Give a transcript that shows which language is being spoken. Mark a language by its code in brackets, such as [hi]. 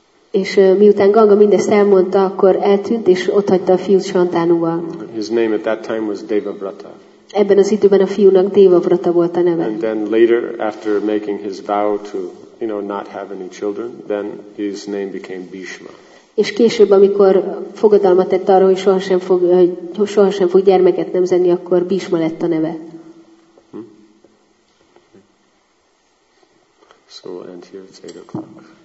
[hu] És miután Ganga mindezt elmondta, akkor eltűnt, és ott hagyta a fiút Shantanuval. [en] His name at that time was Devavrata. [hu] Ebben az időben a fiúnak Devavrata volt a neve. [en] And then later, after making his vow to, you know, not have any children, then his name became Bhishma. [hu] És később, amikor fogadalmat tett arra, hogy sohasem fog gyermeket nemzeni, akkor Bhishma lett a neve. [en] So we'll end here, it's 8 o'clock.